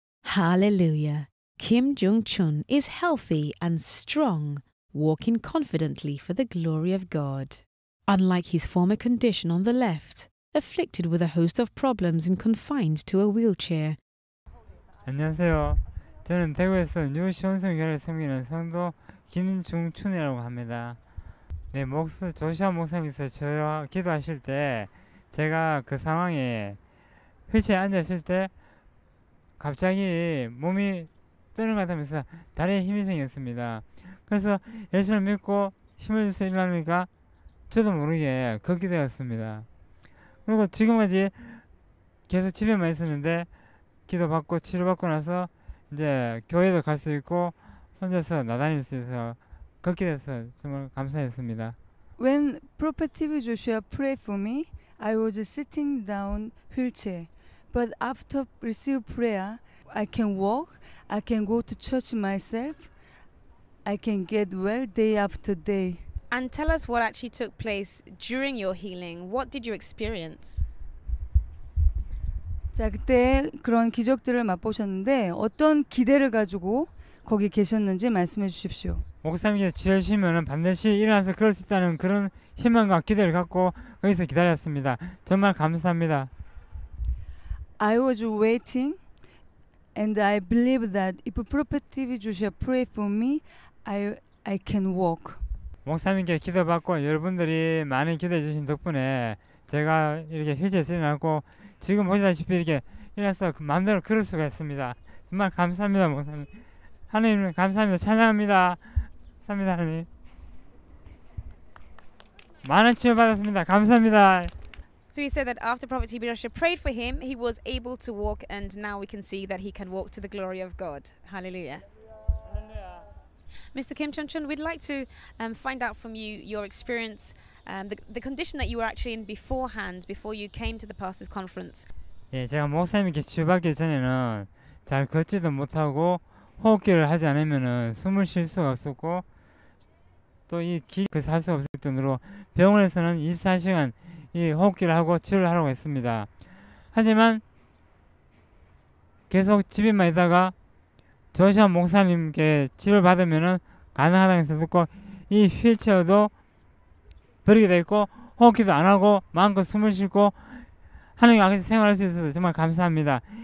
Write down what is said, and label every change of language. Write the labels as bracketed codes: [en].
[en] Hallelujah. Kim Jong-chun is healthy and strong, walking confidently for the glory of God. Unlike his former condition on the left, afflicted with a host of problems and confined to a wheelchair. [ko] 안녕하세요. 저는 대구에서 뉴 시온성교회를 섬기는 성도 김중춘이라고 합니다. 네, 목수 조시아 목사님께서 저와 기도하실 때 제가 그 상황에 휠체어에 앉았을 때 갑자기 몸이 뜨는 것 같으면서 다리에 힘이 생겼습니다. 그래서 예수를 믿고 힘을 주셔서 일어나니까 저도 모르게 걷게 되었습니다. 그리고 지금까지 계속 집에만 있었는데 기도받고 치료받고 나서 이제 교회도 갈 수 있고 혼자서 나다닐 수 있어서 걷게 돼서 정말 감사했습니다. [en] When Prophet TB Joshua prayed for me, I was sitting down wheelchair. But after receive prayer, I can walk, I can go to church myself, I can get well day after day. And tell us what actually took place during your healing. What did you experience? [ko] 자, 그때 그런 기적들을 맛보셨는데 어떤 기대를 가지고 거기 계셨는지 말씀해 주십시오. 목사님께서 지혜시면은 반드시 일어나서 그럴 수 있다는 그런 희망과 기대를 갖고 거기서 기다렸습니다. 정말 감사합니다. [en] I was waiting and I believe that if Prophet TB Joshua pray for me, I can walk. [ko] 목사님께 기도받고 여러분들이 많이 기도해 주신 덕분에 제가 이렇게 휴지에서 일어났고 지금 보시다시피 이렇게 일어나서 마음대로 걸을 수가 있습니다. 정말 감사합니다, 목사님. 하나님 감사합니다. 찬양합니다. 감사합니다, 하나님. 많은 치유 받았습니다. 감사합니다. [en] So he said that after Prophet TB Joshua prayed for him, he was able to walk and now we can see that he can walk to the glory of God. Hallelujah. Mr. Kim Chun-chun, we'd like to find out from you your experience, the condition that you were actually in beforehand, before you came to the pastors' conference. [ko] 예, 제가 목사님께 주받기 전에는 잘 걷지도 못하고 호흡기를 하지 않으면은 숨을 쉴 수가 없었고 또 이 기력을 살 수가 없을 정도로 병원에서는 24시간 이 호흡기를 하고 치료를 하라고 했습니다. 하지만 계속 집에만 있다가 조시아 목사님께 치료를 받으면은 가능하다는 것을 듣고 이 휠체어도 버리게 됐고 호흡기도 안 하고 마음껏 숨을 쉬고 하나님 앞에서 생활할 수 있어서 정말 감사합니다.